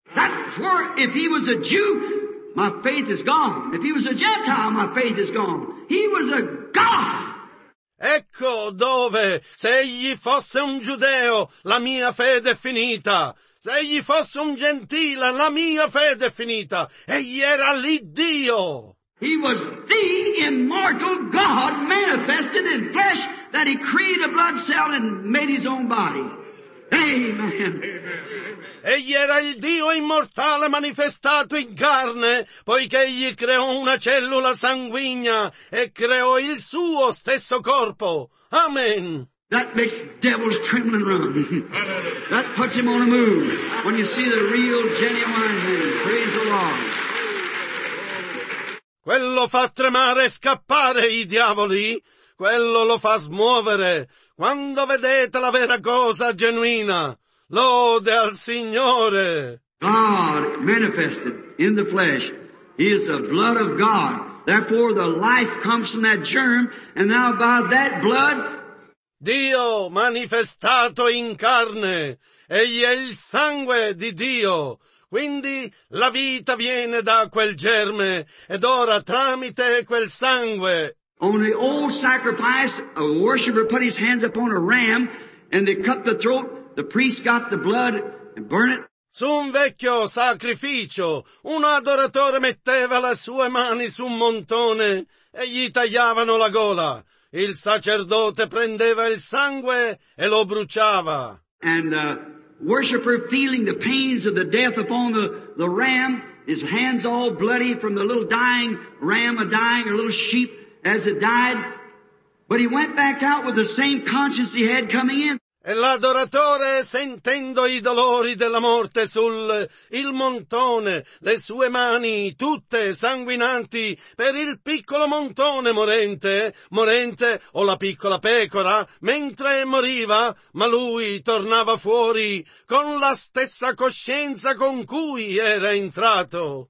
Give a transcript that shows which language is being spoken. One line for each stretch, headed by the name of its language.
English: That's where if he was a Jew, my faith is gone. If he was a Gentile, my faith is gone. He was a God.
Italian: Ecco dove, se egli fosse un giudeo, la mia fede è finita. Se egli fosse un gentile, la mia fede è finita. Egli era lì Dio.
English: He was the immortal God manifested in flesh that he created a blood cell and made his own body. Amen.
Italian: Egli era il Dio immortale manifestato in carne, poiché egli creò una cellula sanguigna e creò il suo stesso corpo. Amen.
English: That makes devils tremble and run. That puts him on a move when you see the real genuine him. Praise the Lord.
Italian: Quello fa tremare e scappare i diavoli, quello lo fa smuovere, quando vedete la vera cosa genuina, lode al Signore.
English: God manifested in the flesh, he is the blood of God, therefore the life comes from that germ, and now by that blood.
Italian: Dio manifestato in carne, egli è il sangue di Dio. Quindi la vita viene da quel germe, ed ora tramite quel sangue.
English: On the old sacrifice, a worshiper put his hands upon a ram, and they cut the throat, the priest got the blood, and burned it.
Italian: Su un vecchio sacrificio, un adoratore metteva le sue mani su un montone, e gli tagliavano la gola. Il sacerdote prendeva il sangue e lo bruciava.
English: Worshipper feeling the pains of the death upon the ram, his hands all bloody from the little dying ram, a dying or little sheep as it died. But he went back out with the same conscience he had coming in.
Italian: E l'adoratore sentendo i dolori della morte sul il montone, le sue mani tutte sanguinanti per il piccolo montone morente o la piccola pecora, mentre moriva, ma lui tornava fuori con la stessa coscienza con cui era entrato.